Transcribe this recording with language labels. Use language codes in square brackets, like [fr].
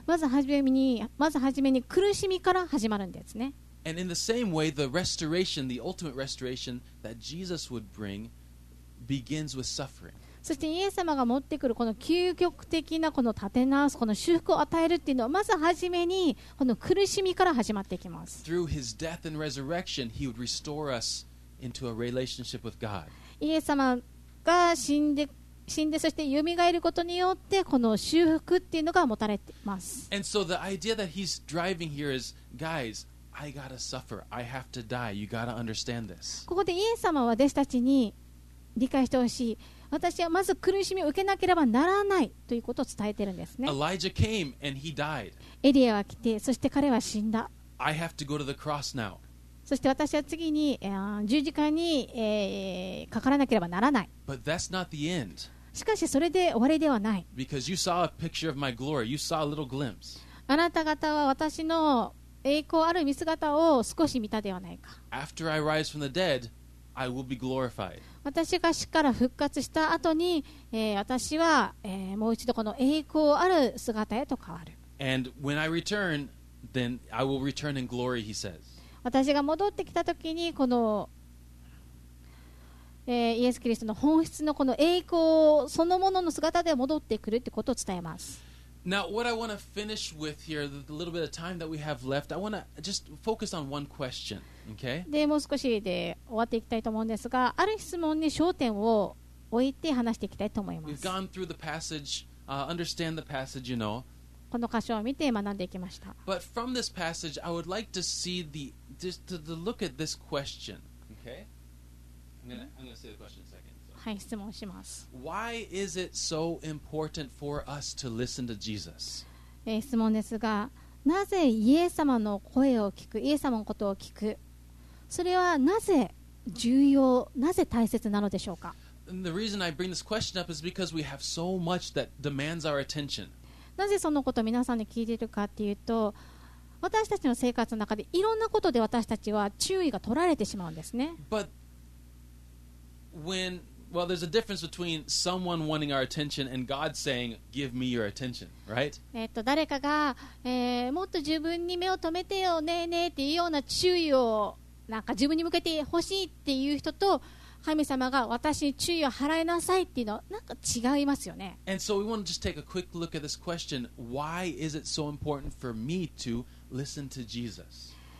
[ja] まずはじめに苦しみから始まるんですね。 [en] And in the same way, the restoration, the ultimate restoration that Jesus would bring begins with suffering. [ja] そしてイエス様が持ってくるこの究極的なこの立て直すこの修復を与えるっていうのはまずはじめにこの苦しみから始まっていきます。 [en] Through his death and resurrection, he would restore us into a relationship with God. [ja] イエス様が死んでそして蘇ることによってこの修復っていうのが持たれています。 [en] And so the idea that he's driving here is, guys, I gotta suffer, I have to die, you gotta understand this. [ja] ここでイエス様は弟子たちに理解してほしい、私はまず苦しみを受けなければならないということを伝えているんですね。 [en] Elijah came and he died. [ja] エリアは来て、そして彼は死んだ。 [en] I have to go to the cross now. [ja] そして私は次に、十字架に、かからなければならない。 [en] But that's not the end. [ja] しかしそれで終わりではない。 [en] Because you saw a picture of my glory. You saw a little glimpse. [ja] あなた方は私の栄光ある見姿を少し見たではないか。 [en] After I rise from the dead, I will be glorified. [ja] 私が死から復活した後に、私は、もう一度この栄光ある姿へと変わる。 [en] And when I return, then I will return in glory, he says. [ja] 私が戻ってきた時にこの、イエス・キリストの本質のこの栄光そのものの姿で戻ってくるってことを伝えます。 [en] Now, what I want to finish with here, the little bit of time that we have left, I want to just focus on one question, okay? [ja] で、もう少しで終わっていきたいと思うんですが、ある質問に焦点を置いて話していきたいと思います。 [en] We've gone through the passage, understand the passage, you know. [ja] この箇所を見て学んでいきました。 [en] But from this passage, I would like to see the, just to look at this question, okay? I'm gonna say the question in a second. [ja] はい、質問します。 [en] Why is it so important for us to listen to Jesus? [ja] 質問ですが、なぜイエス様の声を聞く、イエス様のことを聞く、それはなぜ重要、なぜ大切なのでしょうか。 [en] the reason I bring this question up is because we have so much that demands our attention. [ja] なぜそのことを皆さんに聞いているかっていうと、私たちの生活の中でいろんなことで私たちは注意が取られてしまうんですね。 [en] But when, well, there's a difference between someone wanting our attention and God saying, "Give me your attention," right? [ja] 誰かが、もっと自分に目を止めてよねえねえっていうような注意をなんか自分に向けてほしいっていう人と、神様が私に注意を払いなさいっていうのはなんか違いますよね。 [en] And so we want to just take a quick look at this question: Why is it so important for me to listen to Jesus?